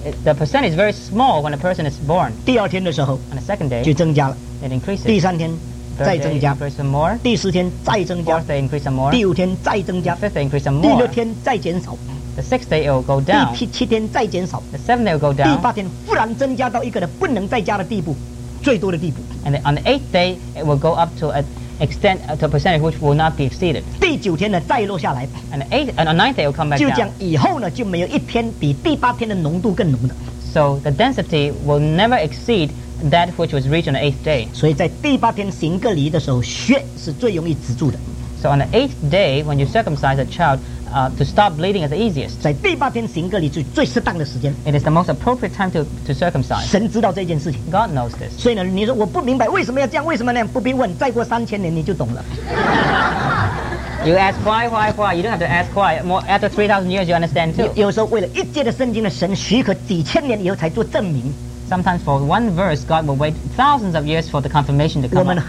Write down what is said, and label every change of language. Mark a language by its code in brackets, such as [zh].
[en] the percent is very small when a person is born [zh] 第二天的时候 [en] on the second day [zh] 就增加了 [en] it increases [zh] 第三天再增加 [en] increase some more [zh] 第四天再增加 [en] fourth day increase some more [zh] 第五天再增加 [en] fifth day increase some more [zh] 第六天再减少 [en] the sixth day it will go down [zh] 第七天再减少 [en] the seventh day will go down [zh] 第八天忽然增加到一个不能再加的地步 最多的地步 [en] and on the eighth day it will go up to a extent to a percentage which will not be exceeded [zh] 第九天呢再落下来 [en] and on the ninth day it will come back [zh] 就讲以后呢就没有一天比第八天的浓度更浓的 [en] so the density will never exceed that which was reached on the eighth day [zh] 所以在第八天行割礼的时候血是最容易止住的 [en] so on the eighth day when you circumcise a child to stop bleeding is the easiest [zh] 在第八天行割礼是最适当的时间 [en] it is the most appropriate time to circumcise [zh] 神知道这件事情 [en] God knows this [zh] 所以呢你说我不明白为什么要这样为什么那样不必问 再过3000年你就懂了 [en] you ask why you don't have to ask why more, after 3000 years you understand too [zh] 有时候为了一节的圣经的神许可几千年以后才做证明 [en] Sometimes for one verse, God will wait thousands of years for the confirmation to come.